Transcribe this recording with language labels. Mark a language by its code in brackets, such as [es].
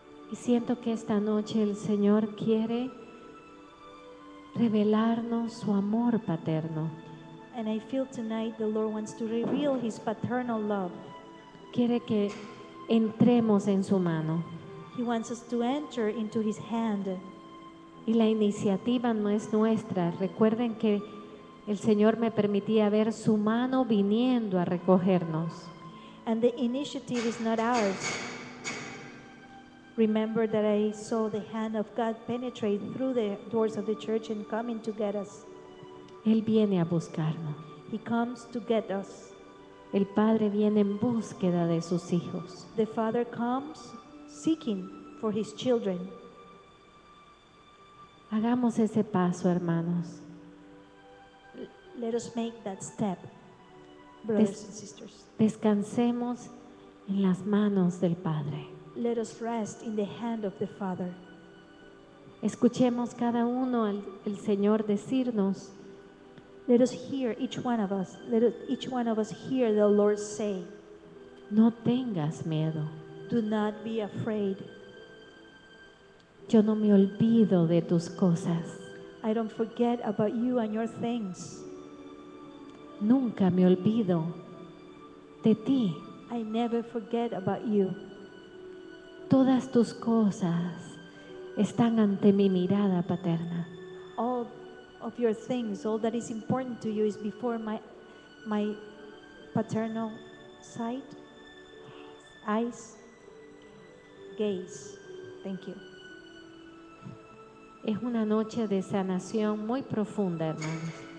[es] Y siento que esta noche el Señor quiere revelarnos su amor paterno. [en] And I feel tonight the Lord wants to reveal his paternal love. [es] Quiere que entremos en su mano. [en] He wants us to enter into his hand. [es] Y la iniciativa no es nuestra. Recuerden que el Señor me permitía ver su mano viniendo a recogernos. [en] And the initiative is not ours. Remember that I saw the hand of God penetrate through the doors of the church and coming to get us. [es] Él viene a buscarnos. [en] He comes to get us. [es] El Padre viene en búsqueda de sus hijos. [en] The Father comes seeking for his children. [es] Hagamos ese paso, hermanos. [en] Let us make that step, brothers and sisters. [es] Descansemos en las manos del Padre. [en] Let us rest in the hand of the Father. [es] Escuchemos cada uno al Señor decirnos. [en] Let us hear each one of us. Let each one of us hear the Lord say. [es] No tengas miedo. [en] Do not be afraid. [es] Yo no me olvido de tus cosas. [en] I don't forget about you and your things. [es] Nunca me olvido de ti. [en] I never forget about you. [es] Todas tus cosas están ante mi mirada paterna. [en] All of your things, all that is important to you is before my paternal sight, eyes, gaze. Thank you. [es] Es una noche de sanación muy profunda, hermanos.